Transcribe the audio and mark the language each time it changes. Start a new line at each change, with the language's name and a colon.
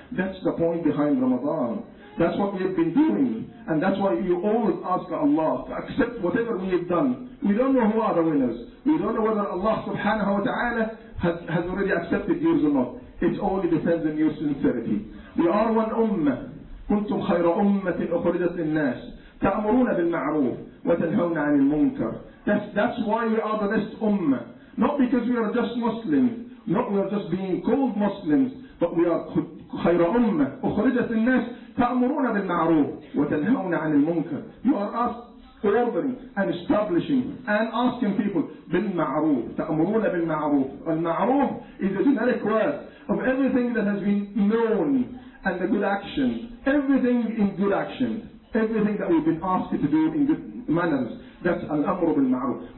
English: That's the point behind Ramadan. That's what we have been doing. And that's why you always ask Allah to accept whatever we have done. We don't know who are the winners. We don't know whether Allah subhanahu wa ta'ala has already accepted you or not. It only depends on your sincerity. We are one ummah.
Arabic: كنتم خير أمة أخرجت للناس تأمرون بالمعروف وتنهون عن المنكر.
English: That's why we are the best ummah. Not because we are just Muslims. Not we are just being called Muslims. But we are
Arabic: خير أمة أخرجت للناس تأمرون بالمعروف وتنهون عن المنكر.
English: You are us. Ordering and establishing and asking people
Arabic: بالمعروف تأمرون بالمعروف.
English: المعروف is a generic word of everything that has been known and the good action. Everything in good action, everything that we've been asked to do in good manners, that's
Arabic: الأمر بالمعروف.